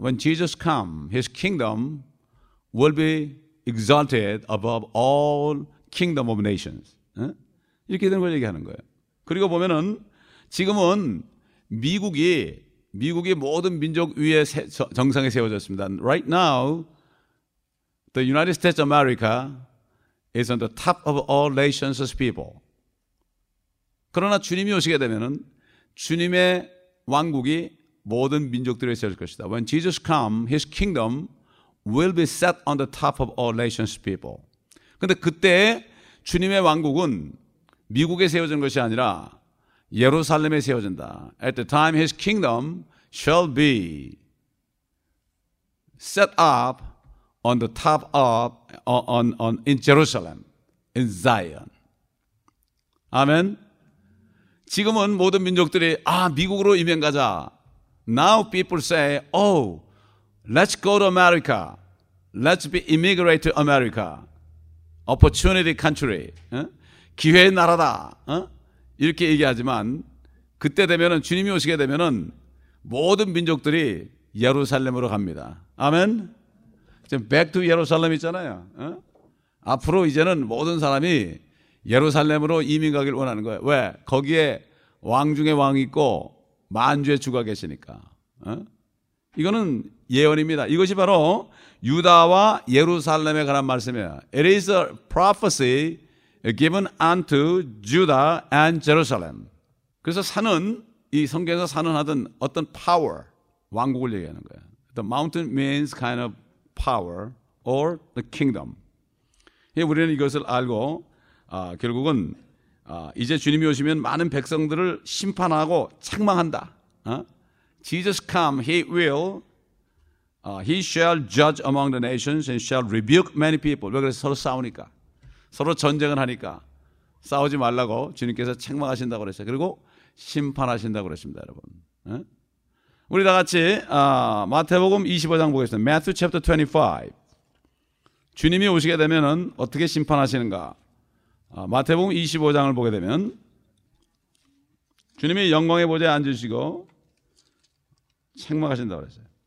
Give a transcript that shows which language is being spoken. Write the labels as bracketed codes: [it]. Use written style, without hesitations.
[en] When Jesus come, his kingdom will be exalted above all kingdom of nations. [ko] 이렇게 되는 걸 얘기하는 거예요. 그리고 보면은 지금은 미국이 모든 민족 위에 정상에 세워졌습니다. [en] Right now, the United States of America is on the top of all nations' people. [ko] 그러나 주님이 오시게 되면은 주님의 왕국이 모든 민족들에 세워질 것이다. [en] When Jesus comes, his kingdom will be set on the top of all nations' people. [ko] 근데 그때 주님의 왕국은 미국에 세워진 것이 아니라 예루살렘에 세워진다. [en] At the time his kingdom shall be set up on the top of on in Jerusalem in Zion. [ko] 아멘. 지금은 모든 민족들이 미국으로 이민 가자. [en] Now people say, "Oh, let's go to America. Let's be immigrate to America. Opportunity country." [ko] 기회의 나라다. 이렇게 얘기하지만 그때 되면은 주님이 오시게 되면은 모든 민족들이 예루살렘으로 갑니다. 아멘. 지금 [en] back to [ko] 예루살렘 있잖아요. 앞으로 이제는 모든 사람이 예루살렘으로 이민 가길 원하는 거예요. 왜? 거기에 왕 중에 왕이 있고 만주의 주가 계시니까. 이거는 예언입니다. 이것이 바로 유다와 예루살렘에 관한 말씀이에요. [en] It is a prophecy given unto Judah and Jerusalem. [ko] 그래서 산은 이 성경에서 산은 하든 어떤 power, 왕국을 얘기하는 거예요. [en] The mountain means kind of power or the kingdom. [ko] 우리는 이것을 알고 결국은 이제 주님이 오시면 많은 백성들을 심판하고 책망한다. [en] Jesus come, he will, he shall judge among the nations and shall rebuke many people. [ko] 왜 그래서 서로 싸우니까. 서로 전쟁을 하니까 싸우지 말라고 주님께서 책망하신다고 그랬어요. 그리고 심판하신다고 그랬습니다, 여러분. 우리 다 같이 마태복음 25장 보겠습니다. [en] Matthew chapter 25. [ko] 주님이 오시게 되면은 어떻게 심판하시는가? 마태복음 25장을 보게 되면 주님이 영광의 보좌에 앉으시고 책망하신다고 그랬어요.